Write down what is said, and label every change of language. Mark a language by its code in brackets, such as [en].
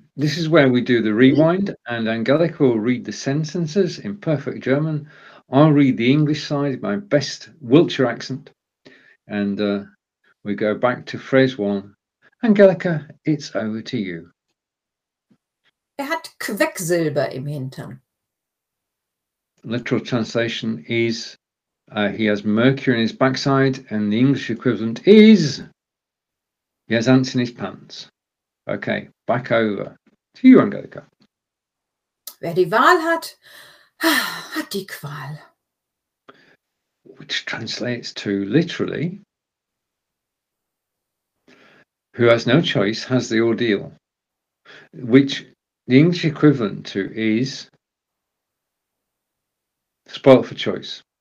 [en] This is where we do the rewind, and Angelica will read the sentences in perfect German. I'll read the English side, my best Wiltshire accent. And we go back to phrase one. Angelica, it's over to you. [de] Er hat Quecksilber im Hintern. [en] Literal translation is he has mercury in his backside, and the English equivalent is he has ants in his pants. Okay, back over to you, Angelica. [de] Wer die Wahl hat, hat die Qual. [en] Which translates to literally, who has no choice has the ordeal, which the English equivalent to is spoilt for choice.